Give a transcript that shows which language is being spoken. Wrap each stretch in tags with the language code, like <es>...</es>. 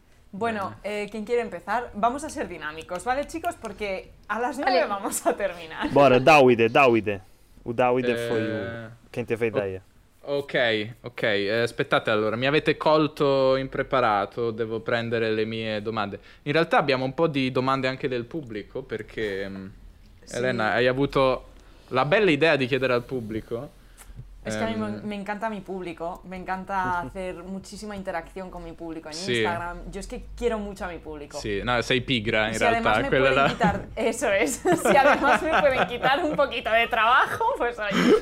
<es>Bueno, ¿quién quiere empezar? Vamos a ser dinámicos, ¿vale, chicos? Porque a las 9 vamos a terminar.</es> <pt>Bora, Davide, Davide. O Davide foi quem teve a ideia. Ok, ok.</pt> <it>Aspettate allora, mi avete colto impreparato, devo prendere le mie domande. In realtà abbiamo un po' di domande anche del pubblico, perché Elena, hai avuto la bella idea di chiedere al pubblico.</it> <es>Es que a mí me encanta mi público, me encanta hacer muchísima interacción con mi público en Instagram. Yo es que quiero mucho a mi público. Sí, no, soy pigra en realidad. Si además me pueden quitar, eso es, si además me pueden quitar un poquito de trabajo, pues ahí.</es>